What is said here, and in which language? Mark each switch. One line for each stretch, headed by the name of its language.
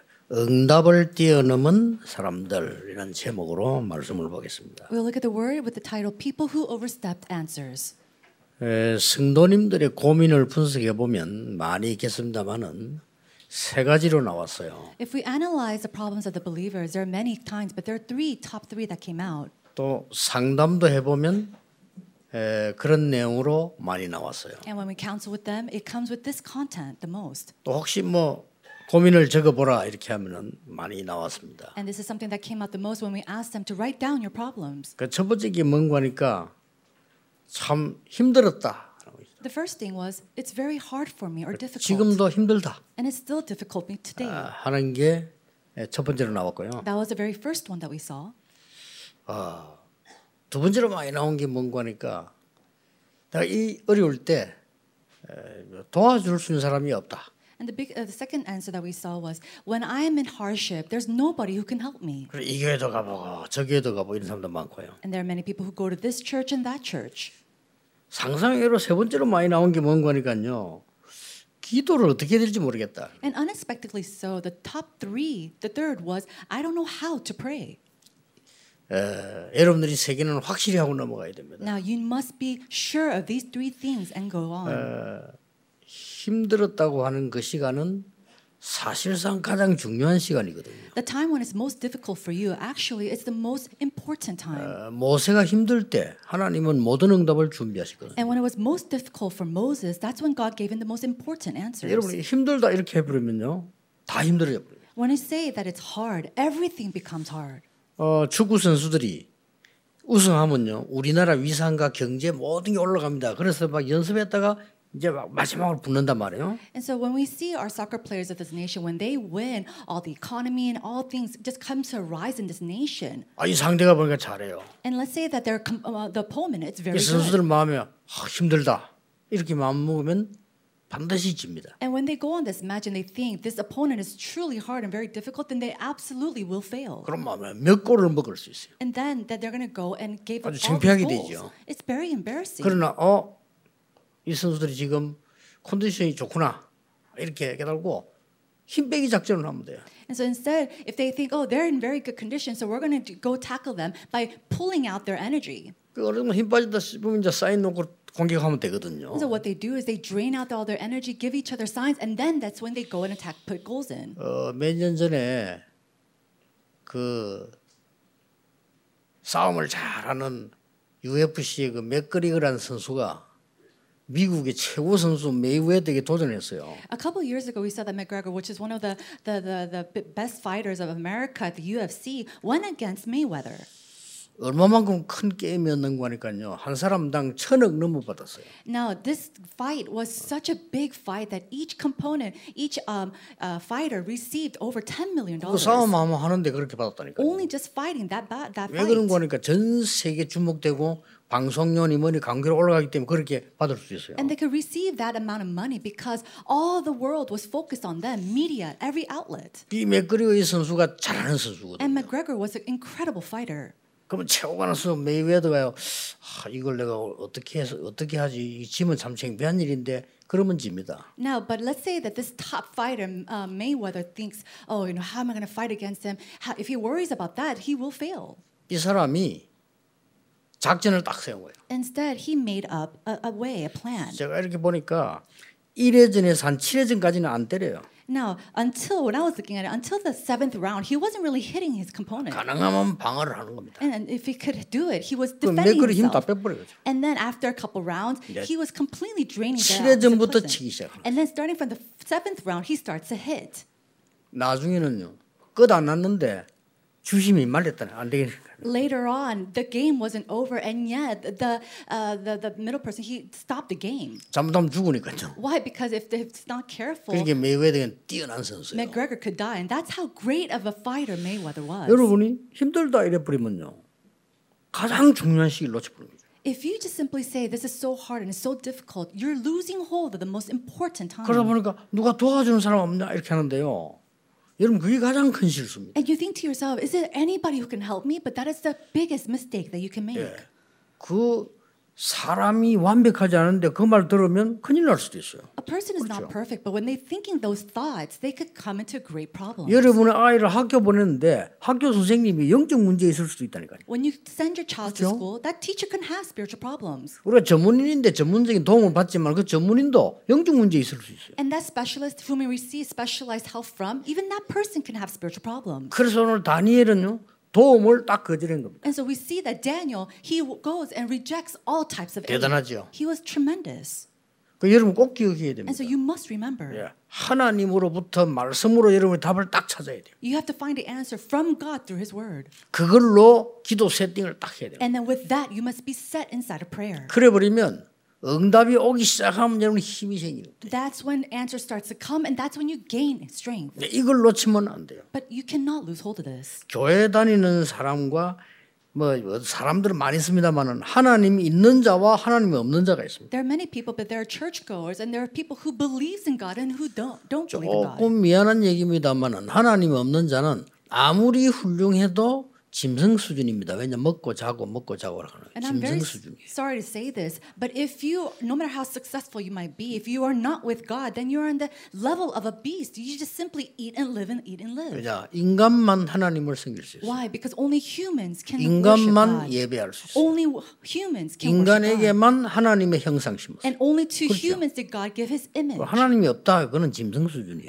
Korean: 응답을 뛰어넘은 사람들이라는 제목으로 말씀을 보겠습니다.
English: We'll look at the word with the title "People Who Overstepped Answers."
Korean: 성도님들의 고민을 분석해 보면 많이 있겠습니다만은 세 가지로 나왔어요.
English: If we analyze the problems of the believers, there are many kinds, but there are three top three that came out.
Korean: 또 상담도 해 보면 그런 내용으로 많이 나왔어요.
English: And when we counsel with them, it comes with this content the most.
Korean: 또 혹시 뭐 고민을 적어보라 이렇게 하면은 많이 나왔습니다.
English: And this is something that came out the most when we asked them to write down your problems.
Korean: 그 첫 번째 게 뭔 거니까 참 힘들었다.
English: The first thing was it's very hard for me or difficult.
Korean: 지금도 힘들다.
English: And it's still difficult me today.
Korean: 하는 게 첫 번째로 나왔고요.
English: That was the very first one that we saw.
Korean: 두 번째로 많이 나온 게 뭔 거니까 내가 이 어려울 때 도와줄 수 있는 사람이 없다.
English: And the second answer that we saw was, when I am in hardship, there's nobody who can help me.
Korean: 그래, 이 교회도 가보고 저 교회도 가보고 이런 사람도 많고요.
English: And there are many people who go to this church and that church.
Korean: 상상외로 세 번째로 많이 나온 게 뭔 거니까요. 기도를 어떻게 될지 모르겠다.
English: And unexpectedly so, the top three, the third was, I don't know how to pray.
Korean: 여러분들이 세 개는 확실히 하고 넘어가야 됩니다.
English: Now you must be sure of these three things and go on.
Korean: 힘들었다고 하는 그 시간은 사실상 가장 중요한 시간이거든요.
English: The time when it's most difficult for you, actually, it's the most important time.
Korean: 모세가 힘들 때 하나님은 모든 응답을 준비하셨거든요.
English: And when it was most difficult for Moses, that's when God gave him the most important answers.
Korean: 여러분 힘들다 이렇게 해버리면요, 다 힘들어져요.
English: When I say that it's hard, everything becomes hard.
Korean: 축구 선수들이 우승하면요, 우리나라 위상과 경제 모든 게 올라갑니다. 그래서 막 연습했다가 이제 마지막으로 붙는단 말이에요.
English: And so when we see our soccer players of this nation, when they win, all the economy and all things just comes to rise in this nation.
Korean: 아, 이 상대가 보니까 잘해요.
English: And let's say that they're the opponent, it's very good.
Korean: 이 선수들 마음이 힘들다. 이렇게 마음 먹으면 반드시 집니다.
English: And when they go on this match and they think this opponent is truly hard and very difficult, then they absolutely will fail.
Korean: 그럼 마음에 몇 골을 먹을 수 있어요.
English: And then that they're going to go and give up all the goals.
Korean: 되죠.
English: It's very embarrassing.
Korean: 그러나 이 선수들이 지금 컨디션이 좋구나 이렇게 깨달고 힘 빼기 작전을 하면 돼요.
English: And so instead, if they think, oh, they're in very good condition, so we're going to go tackle them by pulling out their energy.
Korean: 그러면 힘 빠진다 싶으면 이제 사인 놓고 공격하면 되거든요.
English: And so what they do is they drain out all their energy, give each other signs, and then that's when they go and attack, put goals in.
Korean: 몇 년 전에 그 싸움을 잘하는 UFC의 그 맥그리거라는 선수가 미국의 최고 선수 메이웨더에게 도전했어요.
English: A couple years ago, we saw that McGregor, which is one of the best fighters of America at the UFC, went against Mayweather.
Korean: 얼마만큼 큰 게임이었는가 하니까요. 한 사람당 천억 넘어 받았어요.
English: Now this fight was such a big fight that each component, each fighter received over $10 million.
Korean: 그 싸움 아마 하는데 그렇게 받았다니까.
English: Only just fighting that fight.
Korean: 왜 그런 거니까 전 세계 주목되고 방송료니 뭐니 관계로 올라가기 때문에 그렇게 받을 수 있어요.
English: And they could receive that amount of money because all the world was focused on them, media, every outlet.
Korean: 이 맥그리거 선수가 잘하는 선수거든요.
English: And McGregor was an incredible fighter.
Korean: 그럼 최고가 나서 메이웨더가요. 아, 이걸 내가 어떻게 하지? 이 짐은 참 창피한 일인데 그러면 집니다.
English: Now, but let's say that this top fighter Mayweather thinks, oh, you know, how am I going to fight against him? How, if he worries about that, he will fail.
Korean: 이 사람이 작전을 딱 세워요.
English: Instead, he made up a way, a plan.
Korean: 제가 이렇게 보니까 1회전에서 한 7회전까지는 안 때려요.
English: Now, until when I was looking at it, until the seventh round, he wasn't really hitting his opponent.
Korean: 가능하면 방어를 하는 겁니다.
English: And if he could do it, he was defending himself.
Korean: 힘 다 빼버리죠.
English: And then after a couple rounds, he was completely draining the opponent.
Korean: 7회전부터 치기 시작합니다.
English: And then starting from the seventh round, he starts to hit.
Korean: 나중에는요, 끝 안 났는데 주심이 말렸다네. 안 되겠는가.
English: Later on, the game wasn't over, and yet the middle person he stopped the game.
Korean: 잘못하면 죽으니까요.
English: Why? Because if it's not careful,
Korean: 그게 메이웨더는 뛰어난 선수예요.
English: McGregor could die, and that's how great of a fighter Mayweather was.
Korean: 여러분이 힘들다 이래 버리면요, 가장 중요한 시기를 놓쳐버립니다.
English: If you just simply say this is so hard and it's so difficult, you're losing hold of the most important time.
Korean: 그러다 보니까 누가 도와주는 사람 없냐 이렇게 하는데요. 여러분 그게 가장 큰 실수입니다.
English: And you think to yourself, is there anybody who can help me? But that is the biggest mistake that you can make.
Korean: 예, 그 사람이 완벽하지 않은데 그 말 들으면 큰일 날 수도 있어요.
English: A person is
Korean: 그렇죠?
English: not perfect, but when they're thinking those thoughts, they could come into great problems.
Korean: 여러분의 아이를 학교 보냈는데 학교 선생님이 영적 문제 있을 수도 있다니까요.
English: When you send your child
Korean: 그렇죠?
English: to school, that teacher can have spiritual problems.
Korean: 우리가 전문인인데 전문적인 도움을 받지만 그 전문인도 영적 문제 있을 수 있어요.
English: And that specialist whom we receive specialized help from, even that person can have spiritual problems.
Korean: 그래서 오늘 다니엘은요. 도움을 딱 거절한 겁니다.
English: And so we see that Daniel he goes and rejects all types of aid.
Korean: 대단하죠.
English: He was tremendous.
Korean: 그 여러분 꼭 기억해야 됩니다.
English: And so you must remember.
Korean: 예. 하나님으로부터 말씀으로 여러분 답을 딱 찾아야 돼요.
English: You have to find the answer from God through his word.
Korean: 그걸로 기도 세팅을 딱 해야 돼요.
English: And then with that you must be set inside a prayer.
Korean: 그래 버리면 응답이 오기 시작하면 여러분 힘이 생기는 거예요.
English: That's when answer starts to come and that's when you gain strength.
Korean: 네, 이걸 놓치면 안 돼요.
English: But you cannot lose hold of this.
Korean: 교회 다니는 사람과 뭐 사람들은 많이 있습니다만은 하나님이 있는 자와 하나님이 없는 자가 있습니다.
English: There are many people but there are churchgoers and there are people who believes in God and who don't believe in God.
Korean: 조금 미안한 얘기입니다만은 하나님이 없는 자는 아무리 훌륭해도 짐승 수준입니다. 왜냐 먹고 자고 하는 짐승 수준이에요.
English: Sorry to say this, but if you, no matter how successful you might be, if you are not with God, then you are on the level of a beast. You just simply eat and live and eat and live.
Korean: 왜냐 인간만 하나님을 섬길 수 있어요.
English: Why? Because only humans can worship
Korean: 인간만 예배할 수 있어요.
English: Only humans can
Korean: 인간에게만 하나님의 형상 심었어요.
English: And only to
Korean: 그렇죠?
English: humans did God give His image.
Korean: 하나님이 없다 그건 짐승 수준이에요.